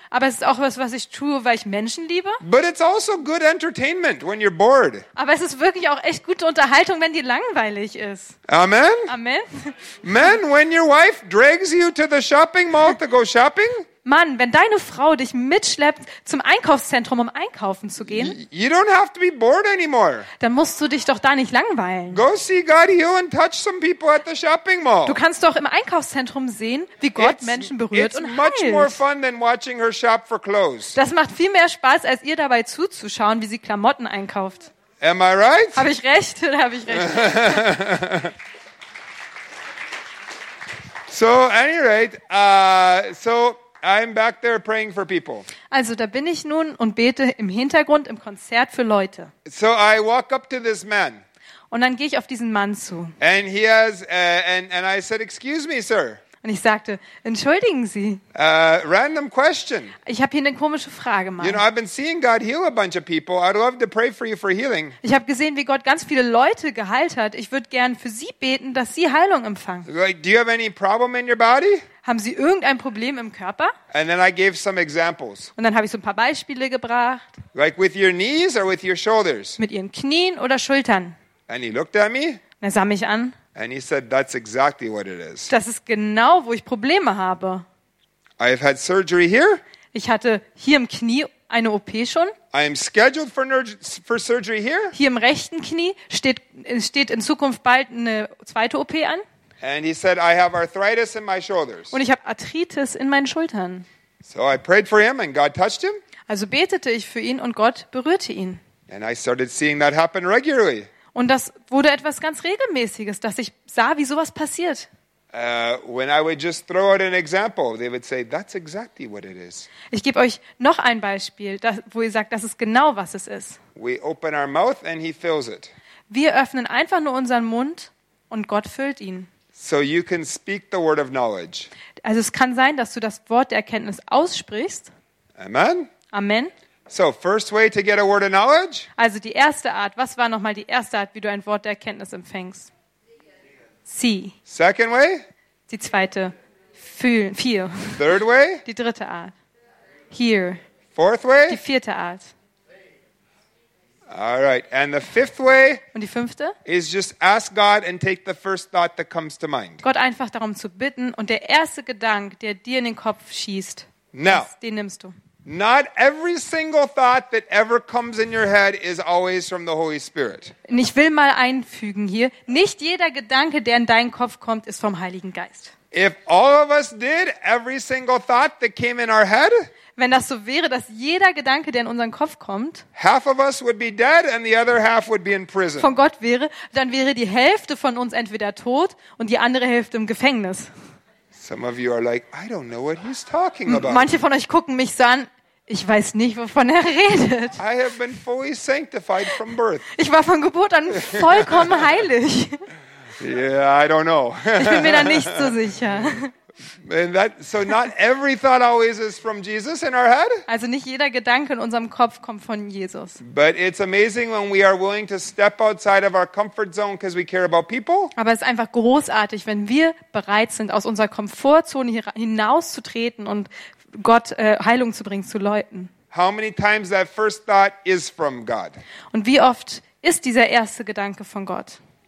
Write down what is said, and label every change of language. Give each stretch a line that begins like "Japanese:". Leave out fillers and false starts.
German: Aber es ist auch was ich tue, weil ich Menschen liebe.
English: But it's also good entertainment when you're bored.
German: Aber es ist wirklich auch echt gute Unterhaltung, wenn die langweilig ist.
English: Amen.
German: Amen.
English: Man, when your wife drags you to the shopping mall to go shopping.
German: Mann, wenn deine Frau dich mitschleppt zum Einkaufszentrum, um einkaufen zu gehen,
English: you don't have to be bored anymore.
German: Dann musst du dich doch da nicht langweilen.
English: Go see God heal and touch some people at the shopping mall.
German: Du kannst doch im Einkaufszentrum sehen, wie Gott Menschen berührt und heilt.
English: Much more fun than watching her shop for clothes.
German: Das macht viel mehr Spaß, als ihr dabei zuzuschauen, wie sie Klamotten einkauft.
English: Am I right?
German: Habe ich recht oder habe ich recht?
English: So, any rate, so I'm back there praying for people.
German: Also, da bin ich nun und bete im Hintergrund im Konzert für Leute.
English: So I walk up to this man.
German: Und dann gehe ich auf diesen Mann zu.
English: And he has and I said, "Excuse me, sir."
German: Und ich sagte, "Entschuldigen Sie."
English: Random question.
German: Ich habe hier eine komische Frage, Mann.
English: You know, I've been seeing God heal a bunch of people. I'd love to pray for you for healing.
German: Ich habe gesehen, wie Gott ganz viele Leute geheilt hat. Ich würde gern für Sie beten, dass Sie Heilung empfangen.
English: Like, do you have any problem in your body?
German: Haben Sie irgendein Problem im Körper?
English: And then I gave some examples.
German: Und dann habe ich so ein paar Beispiele gebracht.
English: Like with your knees or with your shoulders.
German: Mit Ihren Knien oder Schultern.
English: And he looked at me.
German: Und er sah mich an.
English: And he said, "That's exactly what it is."
German: Das ist genau, wo ich Probleme habe.
English: I've had surgery here.
German: Ich hatte hier im Knie eine OP schon.
English: I am scheduled for surgery here.
German: Hier im rechten Knie steht in Zukunft bald eine zweite OP an.
English: And he said, "I have arthritis in my shoulders."
German: Und ich habe Arthritis in meinen Schultern.
English: So I prayed for him, and God touched him.
German: Also betete ich für ihn, und Gott berührte ihn.
English: And I started seeing that happen regularly.
German: Und das wurde etwas ganz Regelmäßiges, dass ich sah, wie sowas passiert.
English: When I would just throw out an example, they would say, "That's exactly what it is."
German: Ich gebe euch noch ein Beispiel, wo ihr sagt, das ist genau, was es ist.
English: We open our mouth, and he fills it.
German: Wir öffnen einfach nur unseren Mund, und Gott füllt ihn.
English: So you can speak the word of knowledge.
German: Also es kann sein, dass du das Wort der Erkenntnis aussprichst.
English: Amen.
German: Amen.
English: So first way to get a word of knowledge.
German: Also die erste Art. Was war nochmal die erste Art, wie du ein Wort der Erkenntnis empfängst?
English: See. Second way.
German: Die zweite. Fühlen. Feel.
English: Third way.
German: Die dritte Art. Hear.
English: Fourth way.
German: Die vierte Art.
English: All right. And the fifth way,
German: und die fünfte,
English: is just ask God and take the first thought that comes to mind.
German: Gott einfach darum zu bitten, und der erste Gedanke, der dir in den Kopf schießt,
English: now,
German: den nimmst du.
English: Not every single thought that ever comes in your head is always from the Holy Spirit.
German: Ich will mal einfügen hier, nicht jeder Gedanke, der in deinen Kopf kommt, ist vom Heiligen Geist.
English: If all of us did every single thought that came in our head,
German: wenn das so wäre, dass jeder Gedanke, der in unseren Kopf kommt, von Gott wäre, dann wäre die Hälfte von uns entweder tot und die andere Hälfte im Gefängnis. Manche von euch gucken mich so an, ich weiß nicht, wovon er redet.
English: I have been fully sanctified from birth.
German: Ich war von Geburt an vollkommen heilig.
English: Yeah, I don't know.
German: Ich bin mir da nicht so sicher.
English: And that, so not every thought always is from Jesus in our head.
German: Also nicht jeder Gedanke in unserem Kopf kommt von Jesus.
English: But it's amazing when we are willing to step outside of our comfort zone because we care about people.
German: Aber es ist einfach großartig, wenn wir bereit sind, aus unserer Komfortzone hinauszutreten und Gott Heilung zu bringen zu Leuten.
English: How many times that first thought is from God?
German: Und wie oft ist dieser erste Gedanke von Gott?